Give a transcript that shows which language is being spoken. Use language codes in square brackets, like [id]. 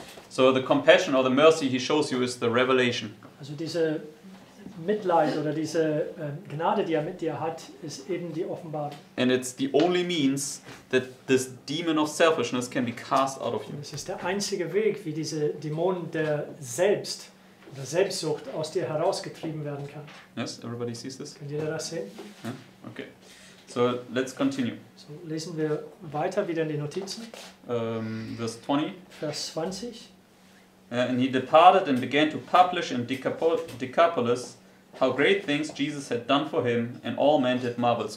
[en] So the compassion or the mercy he shows you is the revelation. [de] Also diese Mitleid oder diese Gnade, die er mit dir hat, ist eben die Offenbarung. [en] And it's the only means that this demon of selfishness can be cast out of you. [de] Es ist der einzige Weg, wie diese Dämonen der Selbst oder Selbstsucht aus dir herausgetrieben werden kann. [en] Yes, everybody sees this. [de] Könnt ihr das sehen? [en] Yeah, okay. So, let's continue. [de] So, lesen wir weiter wieder in die Notizen. Vers 20. Vers 20. [en] And he departed and began to publish in Decapolis how great things Jesus had done for him, and all men did marvel.